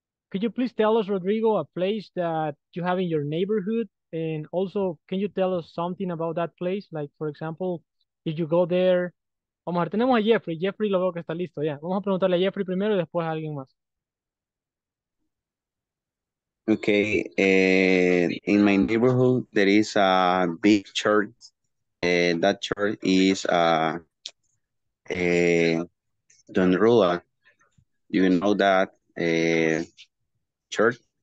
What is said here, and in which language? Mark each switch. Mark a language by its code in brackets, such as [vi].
[en] Could you please tell us, Rodrigo, a place that you have in your neighborhood? And also, can you tell us something about that place? Like, for example, if you go there. [es] Vamos a ver, tenemos a Jeffrey. Jeffrey lo veo que está listo, ya. Vamos a preguntarle a Jeffrey primero y después a alguien más. [en] Okay. In my neighborhood, there is a big church. That church is Don Rula. You know that church?